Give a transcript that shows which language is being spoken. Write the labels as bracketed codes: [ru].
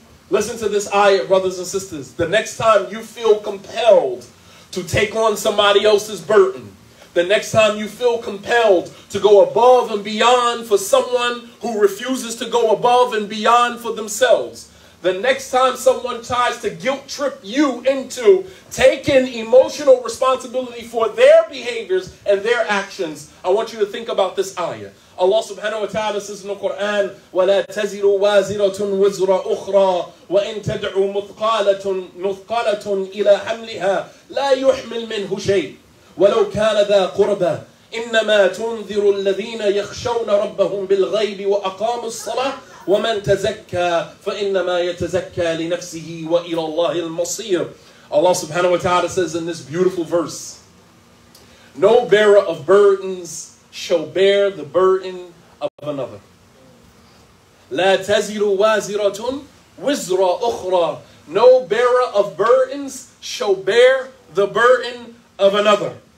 [en] Listen to this ayah, brothers and sisters. The next time you feel compelled to take on somebody else's burden, the next time you feel compelled to go above and beyond for someone who refuses to go above and beyond for themselves, the next time someone tries to guilt trip you into taking emotional responsibility for their behaviors and their actions, I want you to think about this ayah. Allah subhanahu wa ta'ala says in the Quran, [ar] وَلَا تَزِرُ وَازِرَةٌ وِزْرَ أُخْرَى وَإِنْ تَدْعُوا مُثْقَالَةٌ إِلَىٰ حَمْلِهَا لَا يُحْمِلْ مِنْهُ شَيْءٍ وَلَوْ كَانَ ذَا قُرْبَى إِنَّمَا تُنذِرُ الَّذِينَ يَخْشَوْنَ رَبَّهُمْ بِالْغَيْبِ وَأَقَامُوا الصَّلَاةَ وَمَنْ تَزَكَّى فَإِنَّمَا يَتَزَكَّى لِنَفْسِهِ وَإِلَى اللَّهِ الْمَصِيرُ. [en] Allah subhanahu wa ta'ala says in this beautiful verse, no bearer of burdens shall bear the burden of another. [ar] لَا تَزِرُ وَازِرَةٌ وِزْرَ أُخْرَى. [en] No bearer of burdens shall bear the burden of another.